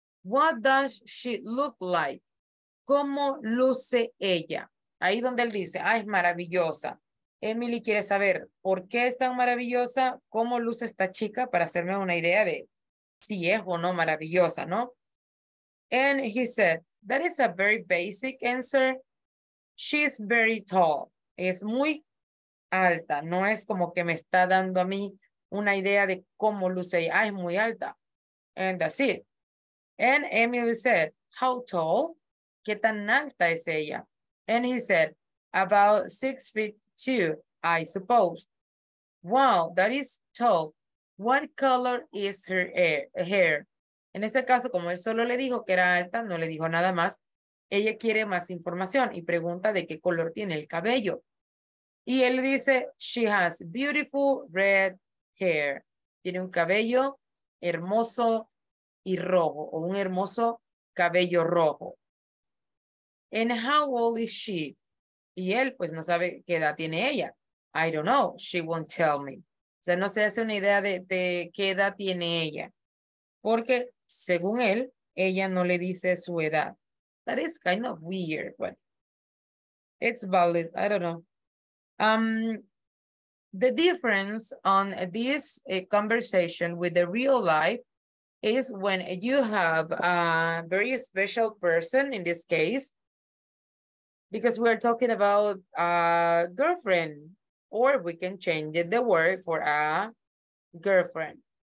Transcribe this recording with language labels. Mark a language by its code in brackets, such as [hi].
[en] What does she look like? [es] ¿Cómo luce ella? Ahí donde él dice, ah, es maravillosa. Emily quiere saber, ¿por qué es tan maravillosa? ¿Cómo luce esta chica? Para hacerme una idea de si es o no maravillosa, ¿no? [en] And he said, that is a very basic answer. She's very tall. [es] Es muy alta. No es como que me está dando a mí una idea de cómo luce ella. Ah, es muy alta. [en] And that's it. And Emily said, how tall? [es] ¿Qué tan alta es ella? [en] And he said, about 6'2", I suppose. Wow, that is tall. What color is her hair? [es] En este caso, como él solo le dijo que era alta, no le dijo nada más, ella quiere más información y pregunta de qué color tiene el cabello. Y él dice, [en] she has beautiful red hair. [es] Tiene un cabello hermoso y rojo, o un hermoso cabello rojo. [en] And how old is she? [es] Y él, pues, no sabe qué edad tiene ella. [en] I don't know. She won't tell me. [es] O sea, no se hace una idea de qué edad tiene ella. Porque, según él, ella no le dice su edad. [en] That is kind of weird, but it's valid. I don't know. The difference on this conversation with the real life is when you have a very special person in this case, because we're talking about a girlfriend, or we can change the word for a girlfriend.